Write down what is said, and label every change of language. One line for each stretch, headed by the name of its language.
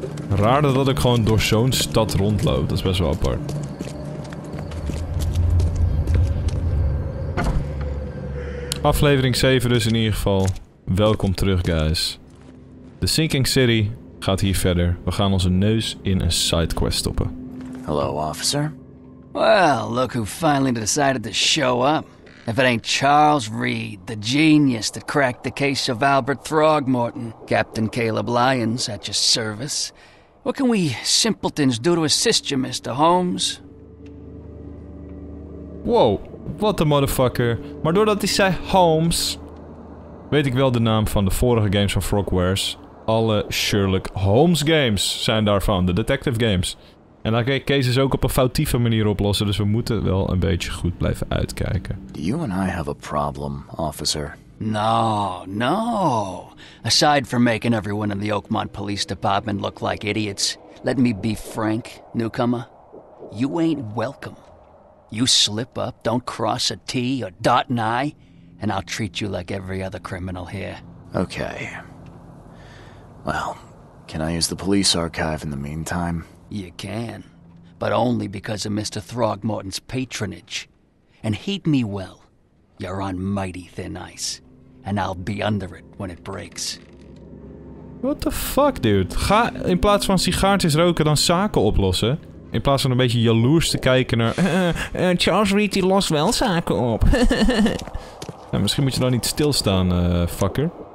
Dutch: Raar dat ik gewoon door zo'n stad rondloop. Dat is best wel apart. Aflevering 7 dus in ieder geval. Welkom terug guys. The Sinking City gaat hier verder. We gaan onze neus in een sidequest stoppen.
English: Hello, officer. Well, look who finally decided to show up. If it ain't Charles Reed, the genius that cracked the case of Albert Throckmorton. Captain Caleb Lyons at your service. What can we simpletons do to assist you, Mr. Holmes? Wow, what the motherfucker.
Dutch: Maar doordat hij zei Holmes, weet ik wel de naam van de vorige games van Frogwares. Alle Sherlock Holmes games zijn daarvan, de detective games. En daar kan je cases ook op een foutieve manier oplossen, dus we moeten wel een beetje goed blijven uitkijken.
English: You and I have a problem, officer. No, no. Aside from making everyone in the Oakmont Police Department look like idiots, let me be frank, newcomer. You ain't welcome. You slip up, don't cross a T or dot an I, and I'll treat you like every other criminal here. Okay. Well, can I use the police archive in the meantime? You can, but only because of Mr. Throckmorton's patronage. And heed me well, you're on mighty thin ice, and I'll be under it when it breaks. What the fuck, dude?
Dutch: Ga in plaats van sigaartjes roken dan zaken oplossen. In plaats van een beetje jaloers te kijken naar... Charles Reed, die lost wel zaken op. Nou, misschien moet je dan niet stilstaan, fucker.